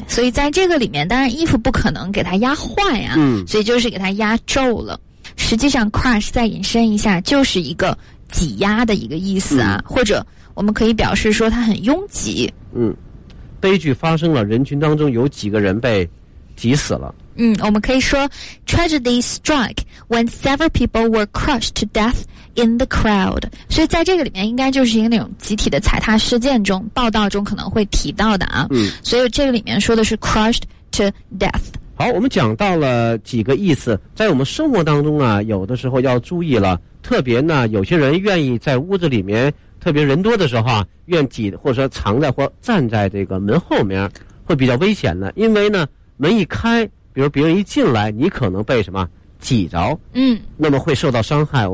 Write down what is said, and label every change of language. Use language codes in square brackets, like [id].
[zh] 所以在这个里面，当然衣服不可能给它压坏啊，所以就是给它压皱了。实际上 crush 再引申一下，就是一个挤压的一个意思啊，或者我们可以表示说它很拥挤。悲剧发生了，人群当中有几个人被挤死了。我们可以说 [en] tragedy struck when several people were crushed to death in the crowd。 [zh] 所以在这个里面应该就是一个那种集体的踩踏事件中，报道中可能会提到的啊。所以这个里面说的是 [en] crushed to death。 [zh] 好，我们讲到了几个意思，在我们生活当中啊，有的时候要注意了，特别呢，有些人愿意在屋子里面，特别人多的时候啊，愿挤或者说藏在或站在这个门后面，会比较危险的，因为呢，门一开，比如别人一进来，你可能被什么挤着，那么会受到伤害。